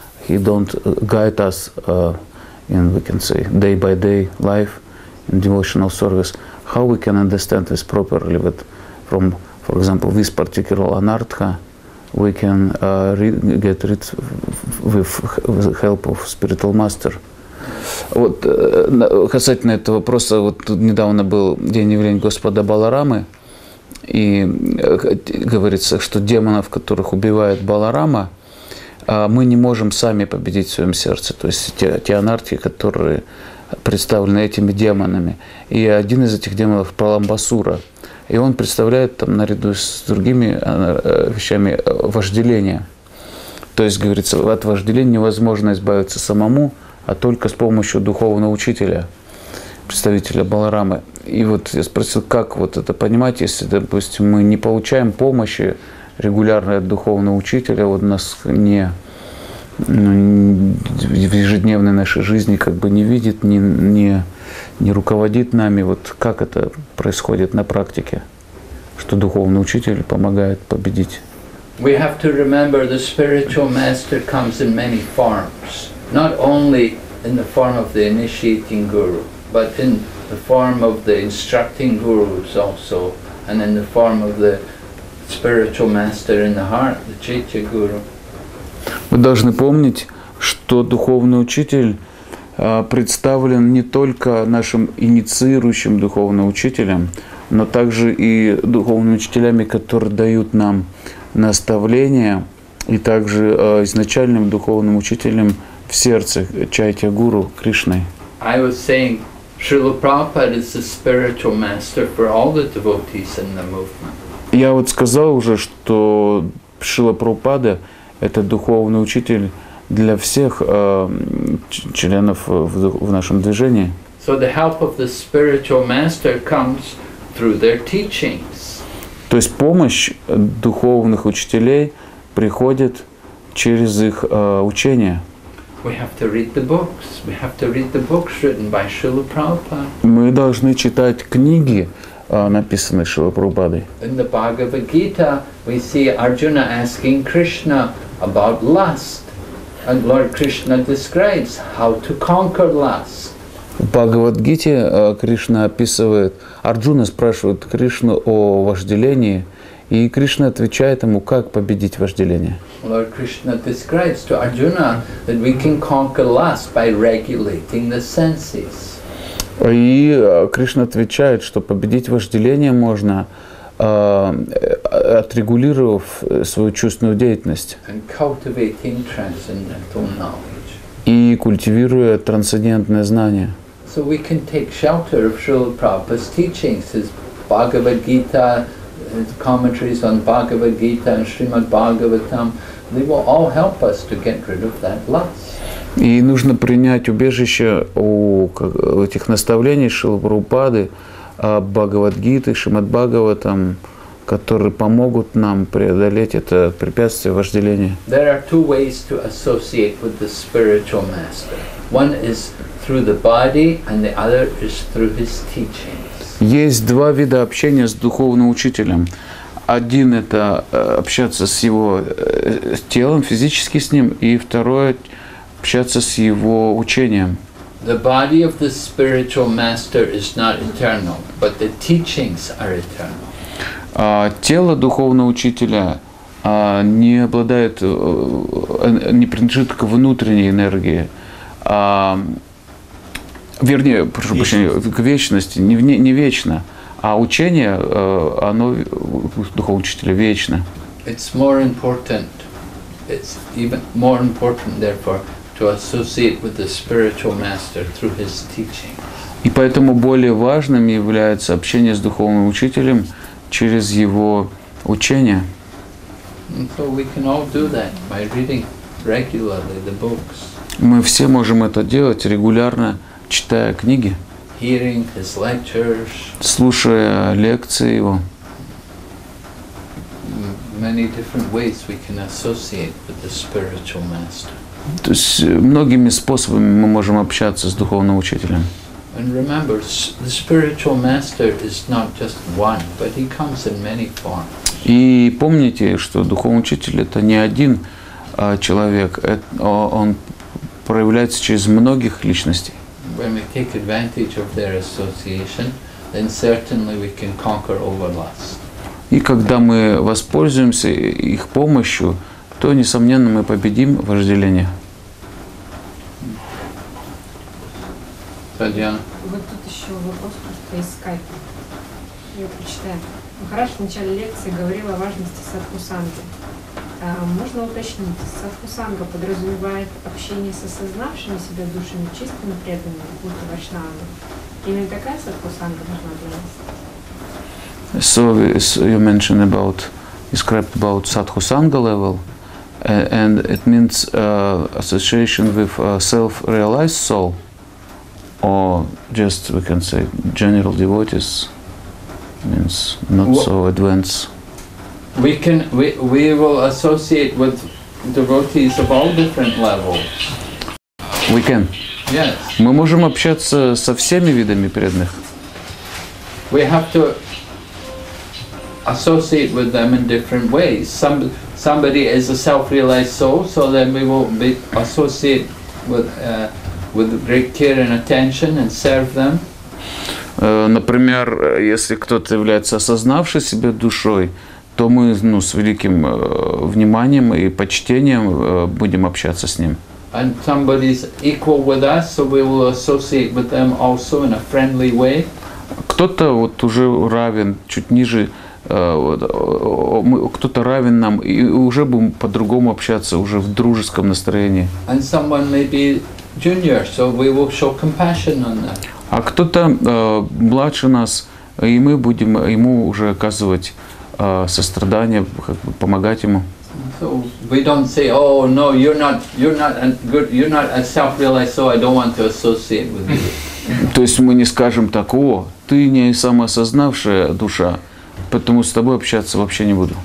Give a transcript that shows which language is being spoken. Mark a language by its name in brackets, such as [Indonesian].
[English] He don't guide us in, we can say, day by day life in devotional service. How we can understand this properly? That from, for example, this particular anartha, we can get rid with the help of spiritual master. [Russian] Вот касательно этого вопроса, вот тут недавно был день явления Господа Баларамы, и говорится, что демонов, которых убивает Баларама, мы не можем сами победить в своем сердце, то есть те анартхи, которые представлены этими демонами. И один из этих демонов – Праламбасура. И он представляет там, наряду с другими вещами, вожделение. То есть, говорится, от вожделения невозможно избавиться самому, а только с помощью духовного учителя, представителя Баларамы. И вот я спросил, как вот это понимать, если, допустим, мы не получаем помощи регулярно от духовного учителя, вот нас не, ну, в ежедневной нашей жизни как бы не видит, не руководит нами, вот как это происходит на практике, что духовный учитель помогает победить. [English] We have to remember the spiritual master comes in many forms, not only in the form of the initiating guru, but in the form of the instructing gurus also, and in the form of the spiritual master in the heart, the Chaitya Guru. [Russian] Мы должны помнить, что духовный учитель представлен не только нашим инициирующим духовным учителем, но также и духовными учителями, которые дают нам наставления, и также изначальным духовным учителем в сердце Чайтья Гуру Кришной. [English] I was saying, Srila Prabhupada is the spiritual master for all the devotees in the movement. [Russian] Я вот сказал уже, что Шрила Прабхупада это духовный учитель для всех членов в нашем движении. [English] So the help of the spiritual master comes through their teachings. [Russian] То есть помощь духовных учителей приходит через их учение. [English] We have to read the books. We have to read the books written by Srila Prabhupada. [Russian] Мы должны читать книги, написанные Шрила Прабхупадой. [English] In the Bhagavad Gita, we see Arjuna asking Krishna about lust. And Lord Krishna describes how to conquer lust. [Russian] В Бхагавад-гите Кришна описывает, Арджуна спрашивает Кришну о вожделении, и Кришна отвечает ему, как победить вожделение. [English] Lord Krishna describes to Arjuna that we can conquer lust by regulating the senses. [Russian] И Кришна отвечает, что победить вожделение можно, отрегулировав свою чувственную деятельность. [English] And cultivating transcendental knowledge. [Russian] И культивируя трансцендентное знание. [English] So we can take shelter of Srila Prabhupada's teachings, his Bhagavad Gita, his commentaries on Bhagavad Gita and Srimad Bhagavatam. They will all help us to get rid of that lust. [Russian] И нужно принять убежище у этих наставлений Шрилы Прабхупады, Бхагавад Гиты, Шримад Бхагаватам, которые помогут нам преодолеть это препятствие вожделения. [English] There are two ways to associate with the spiritual master. One is through the body, and the other is through his teachings. [Russian] Есть два вида общения с духовным учителем. Один – это общаться с его телом, физически с ним, и второе – общаться с его учением. [English] The body of the spiritual master is not eternal, but the teachings are eternal. [Russian] Тело духовного учителя не обладает, не принадлежит к внутренней энергии, вернее, прошу прощения, к вечности, не вечно, а учение, оно духовного учителя вечно. [English] It's more important. It's even more important, therefore, to associate with the spiritual master through his teaching. [Russian] И поэтому более важным является общение с духовным учителем через его учение. [English] So we can all do that by reading regularly the books. [Russian] Мы все можем это делать регулярно, читая книги, [English] hearing his lectures, [Russian] слушая лекции его. [English] Many different ways we can associate with the spiritual master. [Russian] То есть многими способами мы можем общаться с духовным учителем. [English] And remember, the spiritual master is not just one, but he comes in many forms. [Russian] И помните, что духовный учитель это не один человек, он проявляется через многих личностей. [English] When we take advantage of their association, then certainly we can conquer over lust. [Russian] И когда мы воспользуемся их помощью, то несомненно мы победим вожделение. Татьяна. Вот тут еще вопрос просто из скайпа. Я прочитаю. Махарадж в начале лекции говорил о важности садху-санги. Можно уточнить, садху-санга подразумевает общение с осознавшими себя душами, чистыми преданными, будто вайшнавами. Именно такая садху-санга нужна для нас. [English] So, you mentioned about, described about садху-санга level, and it means association with self-realized soul. Or just we can say general devotees means not so advanced. We will associate with devotees of all different levels. We can. Yes. [Russian] Мы можем общаться со всеми видами преданных. [English] We have to associate with them in different ways. Somebody is a self-realized soul, so then we will be associate with great care and attention and serve them. [Russian] Например, если кто-то является осознавшей себя душой, то мы с великим вниманием и почтением будем общаться с ним. [English] And somebody is equal with us, so we will associate with them also in a friendly way. [Russian] Кто-то вот уже равен, чуть ниже, кто-то равен нам, и уже будем по-другому общаться, уже в дружеском настроении. [English] And someone may be junior, so we will show compassion on them. [Russian] А кто-то младше нас, и мы будем ему уже оказывать сострадание, как бы помогать ему. [English] So we don't say, oh no, you're not a self-realized, so I don't want to associate with you. [Russian] То есть мы не скажем так, о, ты не самоосознавшая душа, поэтому с тобой общаться вообще не буду.